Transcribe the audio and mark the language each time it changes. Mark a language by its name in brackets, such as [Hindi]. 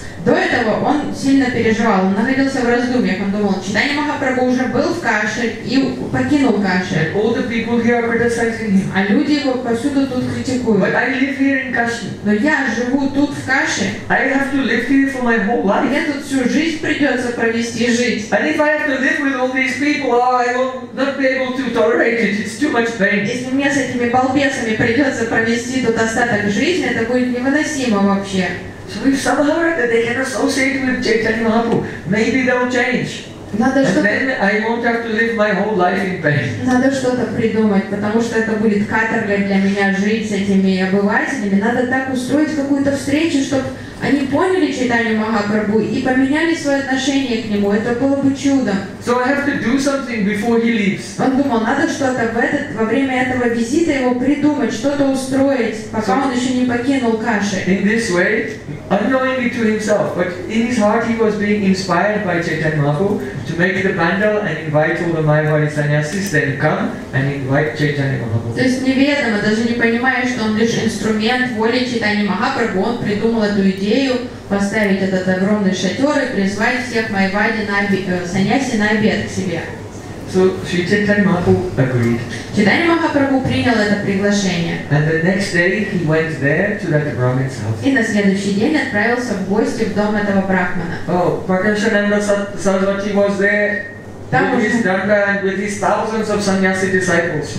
[Russian] До этого он сильно переживал, он находился в раздумьях, он думал, Чайтанья Махапрабху уже был в Каше и покинул Каше. [English] All the people here are criticizing him. [Russian] А люди его повсюду тут критикуют. [English] But I live here in Kashi. [Russian] Но я живу тут в Каше. [English] I have to live here for my whole life. [Russian] Мне тут всю жизнь придется провести жить. [English] And if I have to live with all these people, oh, I will not be able to tolerate it. It's too much pain. [Russian] Если мне с этими балбесами придется провести тут остаток жизни, это будет невыносимо вообще. [English] So if somehow that they can associate with Chaitanya Mahaprabhu, maybe they'll change. [Russian] Надо [English] and [Russian] что-то... [English] then I won't have to live my whole life in pain. [Russian] Надо что-то придумать, потому что это будет каторгой для меня жить с этими обывателями. Надо так устроить какую-то встречу, чтобы они поняли Чайтанью Махапрабху и поменяли свое отношение к нему. Это было бы чудо. [English] So I have to do something before he leaves. [Russian] Он думал, надо что-то во время этого визита его придумать, что-то устроить, пока он еще не покинул Каши. [English] In this way, unknowingly to himself, but in his heart he was being inspired by Chaitanya Mahaprabhu to make the pandal and invite all the Mayavadi sannyasis then come and invite Chaitanya Mahaprabhu. [Russian] То есть неведомо, даже не понимая, что он лишь инструмент воли Чайтанья Махапрабху, он придумал эту идею поставить этот огромный шатер и призвать всех Майвади саньяси на обед к себе. [English] So Sri Chaitanya Mahaprabhu agreed. [Russian] Чайтанья Махапрабху принял это приглашение. [English] And the next day he went there to that Brahmin's house. [Russian] И на следующий день отправился в гости в дом этого брахмана. [English] Oh, Prakashananda Sarasvati was there. [Russian] Там [English] with his danga and with his thousands of sannyasi disciples.